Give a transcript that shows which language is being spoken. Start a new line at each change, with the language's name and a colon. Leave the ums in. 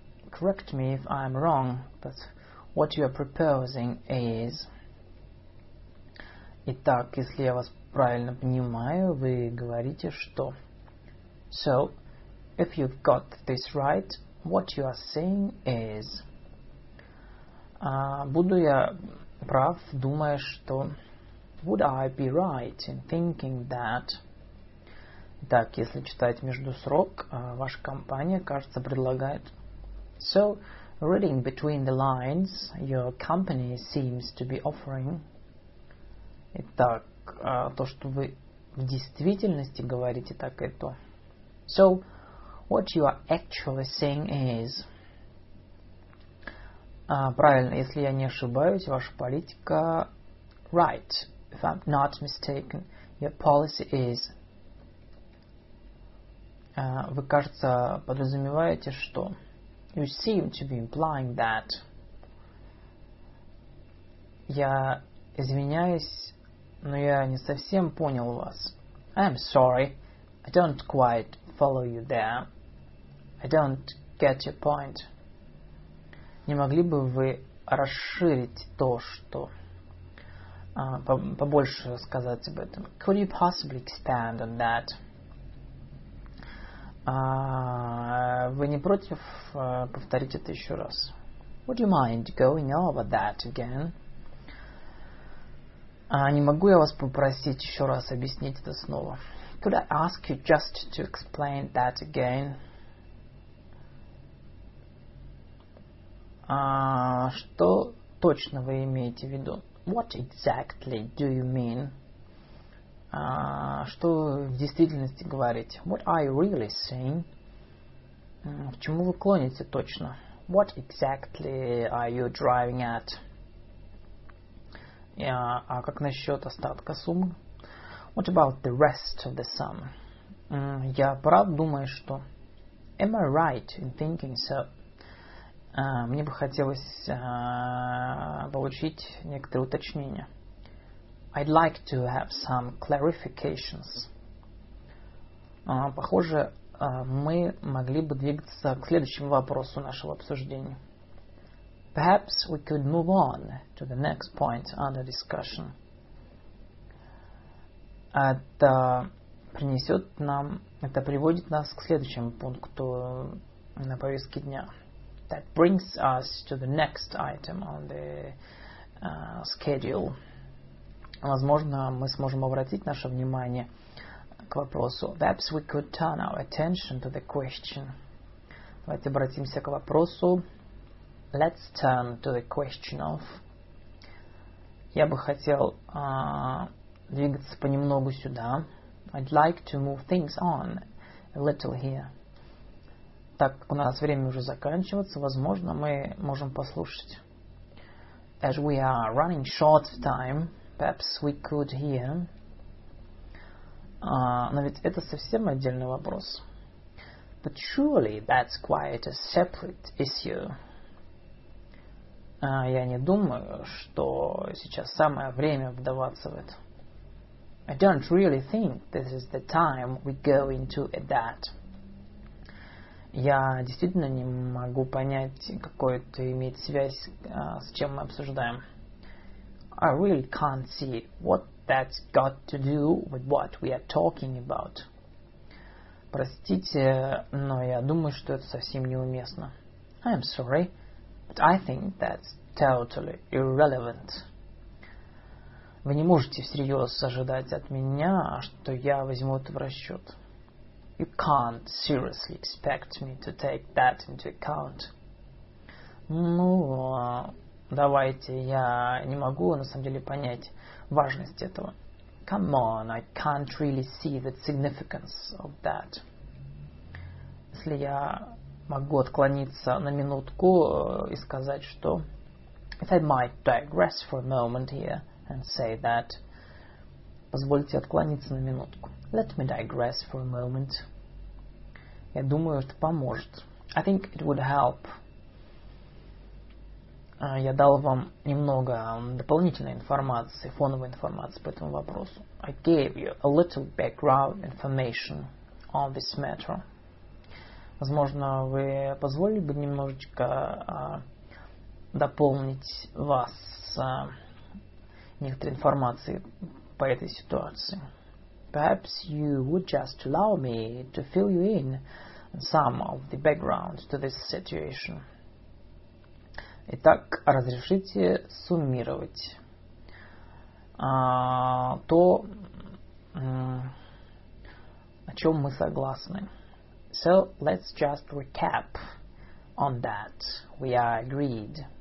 English: Correct me if I'm wrong, but what you are proposing is...
Russian: Итак, если я вас Правильно понимаю, вы говорите, что...
English: So, if you've got this right, what you are saying is...
Russian: А буду я прав, думая, что...
English: Would I be right in thinking that...
Russian: Так, если читать между срок, ваша компания, кажется, предлагает...
English: So, reading between the lines, your company seems to be offering...
Russian: Итак, то, что вы в действительности говорите так и то.
English: So, what you are actually saying is...
Russian: Uh, правильно, если я не ошибаюсь, ваша политика...
English: Right, if I'm not mistaken, your policy is...
Russian: Uh, вы, кажется, подразумеваете, что...
English: You seem to be implying that...
Russian: Я извиняюсь но я не совсем понял вас.
English: I'm sorry, I don't quite follow you there. I don't get your point.
Russian: Не могли бы вы расширить то, что... Uh, побольше сказать об этом.
English: Could you possibly expand on that?
Russian: Uh, вы не против uh, повторить это еще раз?
English: Would you mind going over that again?
Russian: Uh, не могу я вас попросить еще раз объяснить это снова?
English: Could I ask you just to explain that again?
Russian: А, uh, что точно вы имеете в виду?
English: What exactly do you mean?
Russian: А, uh, что в действительности говорите?
English: What are you really saying?
Russian: К чему вы клоните точно?
English: What exactly are you driving at?
Russian: а как насчет остатка суммы?
English: What about the rest of the sum?
Russian: Я прав, думаю, что...
English: Am I right in thinking so?
Russian: Мне бы хотелось получить некоторые уточнения.
English: I'd like to have some clarifications.
Russian: Похоже, мы могли бы двигаться к следующему вопросу нашего обсуждения.
English: Perhaps we could move on to the next point under discussion.
Russian: Это, нам, это приводит нас к следующему пункту на повестке дня.
English: That brings us to the next item on the uh, schedule.
Russian: Возможно, мы сможем обратить наше внимание к вопросу.
English: Perhaps we could turn our attention to the question.
Russian: Давайте обратимся к вопросу.
English: Let's turn to the question of.
Russian: Я бы хотел uh, двигаться понемногу сюда.
English: I'd like to move things on a little here.
Russian: Так как у нас время уже заканчивается, возможно, мы можем послушать.
English: As we are running short of time, perhaps we could hear.
Russian: Uh, это совсем отдельный вопрос.
English: But surely that's quite a separate issue.
Russian: Uh, я не думаю, что сейчас самое время вдаваться в это.
English: I don't really think this is the time we go into a that.
Russian: Я действительно не могу понять, какой это имеет связь uh, с чем мы обсуждаем.
English: I really can't see what that's got to do with what we are talking about.
Russian: Простите, но я думаю, что это совсем неуместно.
English: I'm am sorry, But I think that's totally irrelevant.
Russian: Вы не можете всерьез ожидать от меня, что я возьму это в расчет.
English: You can't seriously expect me to take that into account.
Russian: Ну, давайте, я не могу на самом деле понять важность этого.
English: Come on, I can't really see the significance of that.
Russian: Если я могу отклониться на минутку и сказать, что
English: if I might digress for a moment here and say that
Russian: позвольте отклониться на минутку.
English: Let me digress for a moment.
Russian: Я думаю, это поможет.
English: I think it would help.
Russian: Uh, я дал вам немного дополнительной информации, фоновой информации по этому вопросу.
English: I gave you a little background information on this matter.
Russian: Возможно, вы позволили бы немножечко дополнить вас с некоторой информацией по этой ситуации.
English: Perhaps you would just allow me to fill you in some of the background to this situation.
Russian: Итак, разрешите суммировать а, то, о чем мы согласны.
English: So let's just recap on that. We are agreed.